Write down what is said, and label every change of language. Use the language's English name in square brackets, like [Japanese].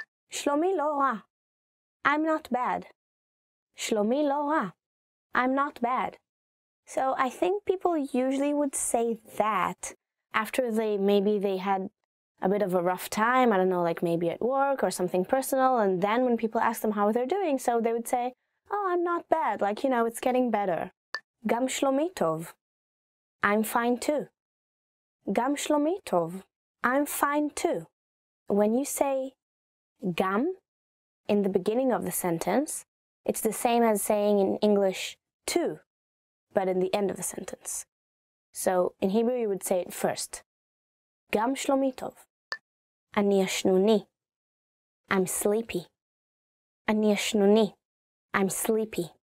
[Hebrew] שלומי לא רע. [English] I'm not bad. [Hebrew] שלומי לא רע. I'm not bad. [English] So I think people usually would say that after maybe they had a bit of a rough time, I don't know, like maybe at work or something personal, and then when people ask them how they're doing, so they would say, oh, I'm not bad, like, you know, it's getting better. [Hebrew] גם שלומי טוב. [English] I'm fine too. [Hebrew] גם שלומי טוב. [English] I'm fine too. When you say gam in the beginning of the sentence, it's the same as saying in English too, but in the end of the sentence. So in Hebrew you would say it first. [Hebrew] Gam shlomi tov. Ani yashnuni. [English] I'm sleepy. [Hebrew] Ani yashnuni. I'm sleepy.